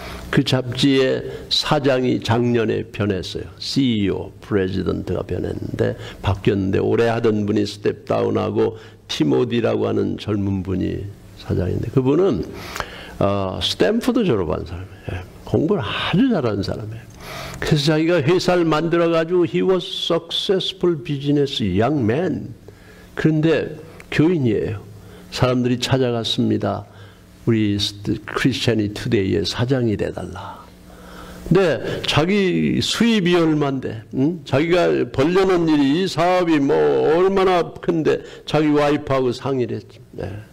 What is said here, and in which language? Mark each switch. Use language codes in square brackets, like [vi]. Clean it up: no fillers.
[ko] 그 잡지의 사장이 작년에 변했어요. CEO, 프레지던트가 변했는데 바뀌었는데 오래 하던 분이 스텝다운하고 티모디라고 하는 젊은 분이 사장인데 그분은 스탠퍼드 졸업한 사람이에요. 공부를 아주 잘하는 사람이에요. 그래서 자기가 회사를 만들어가지고 [en] He was successful business young man. [ko] 그런데 교인이에요. 사람들이 찾아갔습니다. 우리 크리스천이 투데이의 사장이 돼달라. 근데 자기 수입이 얼만데, 응? 자기가 벌려놓은 일이 이 사업이 뭐 얼마나 큰데 자기 와이프하고 상의를 했지. 네.